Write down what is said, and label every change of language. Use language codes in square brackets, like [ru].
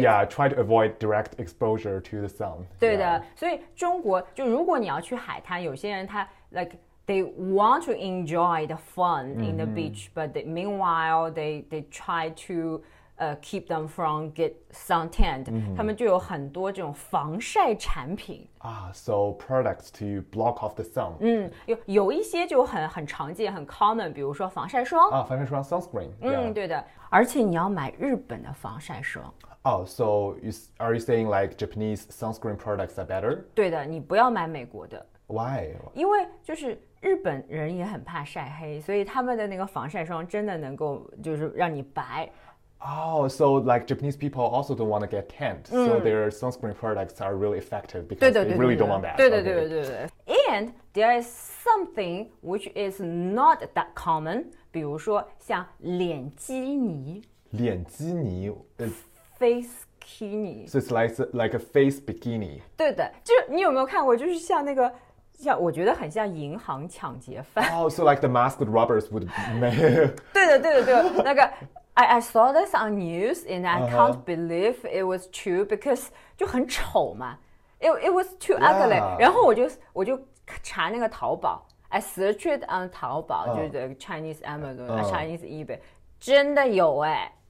[en] Yeah, try to avoid direct exposure to the sun. [zh] 对的，所以中国就如果你要去海滩，有些人他 [en] like they want to enjoy the fun in the beach, but meanwhile they try to keep them from get suntanned. [zh] 他们就有很多这种防晒产品。 [en] So products to block off the sun. [zh] 有一些就很常见很 common，比如说防晒霜。防晒霜 sunscreen, 对的，而且你要买日本的防晒霜。 [en] So are you saying like Japanese sunscreen products are better? [zh] 对的，你不要买美国的， [en] Why? [zh] 因为就是日本人也很怕晒黑，所以他们的那个防晒霜真的能够就是让你白。 [en] So like Japanese people also don't want to get tanned, so their sunscreen products are really effective because they really don't want that. And there is something which is not that common， [zh] 比如说像脸基尼 [en] 脸基尼 is ，face skinny。 So it's like a face bikini. [zh] 对的，就是你有没有看过，就是像那个。像我觉得很像银行抢劫犯。 [en] So like the masked robbers would make. [zh] 对的，那个 [en] I saw this on news and I can't believe it was true because [zh] 就很丑嘛， [en] it was too ugly。 [zh] 然后我就查那个淘宝， [en] I searched on [zh] 淘宝，就是 [en] Chinese Amazon、Chinese eBay， [zh] 真的有哎。